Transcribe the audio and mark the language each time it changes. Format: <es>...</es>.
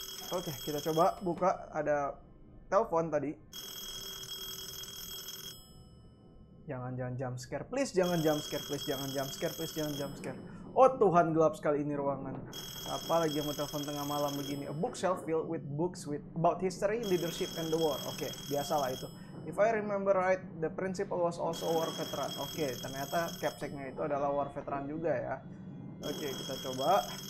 <id>Oke, kita coba buka. Ada telepon tadi. Jangan-jangan jump scare. Please, jangan jump scare. Please, jangan jump scare. Please, jangan jump scare. Oh, Tuhan, gelap sekali ini ruangan. Apa lagi yang mau telepon tengah malam begini?</id> <en>A bookshelf filled with books with about history, leadership, and the war.</en> <id>Oke, biasalah itu.</id> <en>If I remember right, the principal was also war veteran.</en> <id>Oke, ternyata capsack-nya itu adalah war veteran juga ya. Oke, kita coba.</id>